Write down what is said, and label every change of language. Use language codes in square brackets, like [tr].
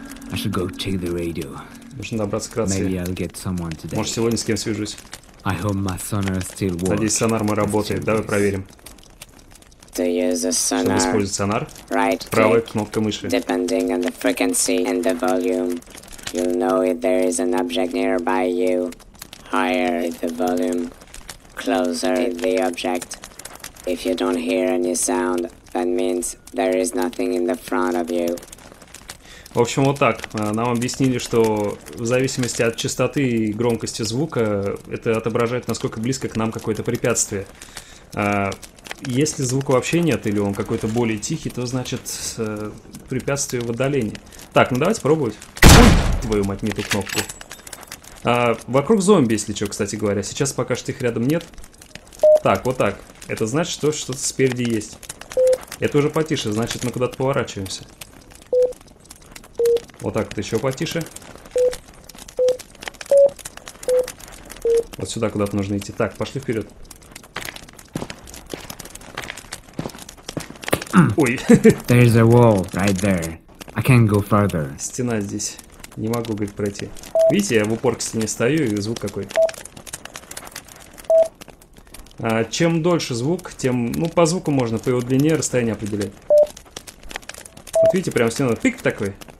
[ru] Нужно добраться к рации. Может, сегодня с кем свяжусь. Надеюсь, сонар мой работает. Давай проверим. Чтобы использовать сонар, right, правая кнопка мыши. [en] Depending on the frequency and the volume, you'll know if there is an object nearby you. Higher the volume, closer the object. If you don't hear any sound, that means there is nothing in the front of you. [ru] В общем, вот так. Нам объяснили, что в зависимости от частоты и громкости звука, это отображает, насколько близко к нам какое-то препятствие. Если звука вообще нет, или он какой-то более тихий, то значит препятствие в отдалении. Так, ну давайте пробовать. Ой, твою мать, не ту кнопку. Вокруг зомби, если что, кстати говоря. Сейчас пока что их рядом нет. Так, вот так. Это значит, что что-то спереди есть. Это уже потише, значит мы куда-то поворачиваемся. Вот так вот еще потише. Вот сюда куда-то нужно идти. Так, пошли вперед. [en] There is a wall right there. I can't go further. [ru] Стена здесь. Не могу, говорит, пройти. Видите, я в упор к стене стою, и звук какой. Чем дольше звук, тем... Ну, по звуку можно, по его длине расстояние определять. Вот видите, прям стена тык такой.